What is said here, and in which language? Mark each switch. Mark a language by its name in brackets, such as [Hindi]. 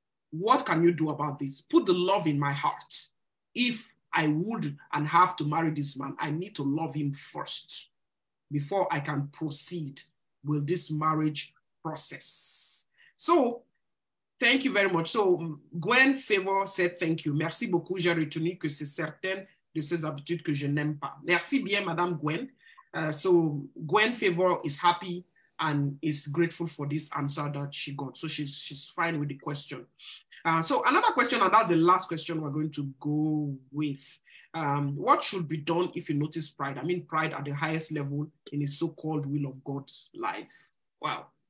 [English] What can you do about this? Put the love in my heart. If I would and have to marry this man, I need to love him first before I can proceed with this marriage process. So, thank you very much. So, Gwen Favor said thank you. [French] Merci beaucoup. J'ai retenu que c'est certain de ses habitudes que je n'aime pas. Merci bien, Madame Gwen. [English] So, Gwen Favor is happy and is grateful for this answer that she got. So, she's fine with the question. So, another question, and that's the last question we're going to go with. What should be done if you notice pride? I mean, pride at the highest level in a so-called will of God's life. Wow.